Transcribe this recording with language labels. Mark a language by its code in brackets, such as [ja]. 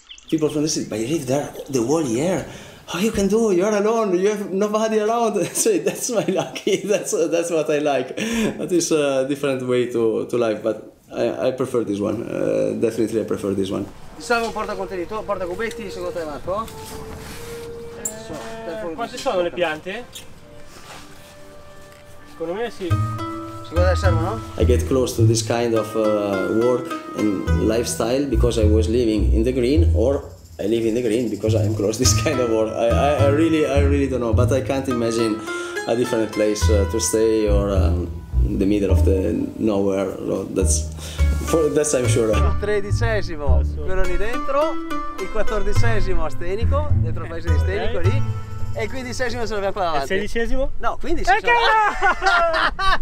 [en] People from the city, but you live there, the whole year. How you can do? You are alone. You have nobody around. So that's my lucky. That's what I like. That is a different way to life, but I prefer this one. Definitely, I prefer this one. [it] Salvo, porta contenuto, porta cubetti, secondo te, Marco? Quante sono le piante? Secondo me sì. [en] I get close to this kind of work and lifestyle because I was living in the green, or I live in the green because I am close to this kind of work. I really don't know, but I can't imagine a different place to stay, or in the middle of the nowhere. No, that's I'm sure. [it] Il tredicesimo, quello lì dentro, il quattordicesimo a Stenico, dentro il paese di Stenico, okay. Lì. E il quindicesimo se lo abbiamo qua davanti. Il sedicesimo? No, quindicesimo. Perché no?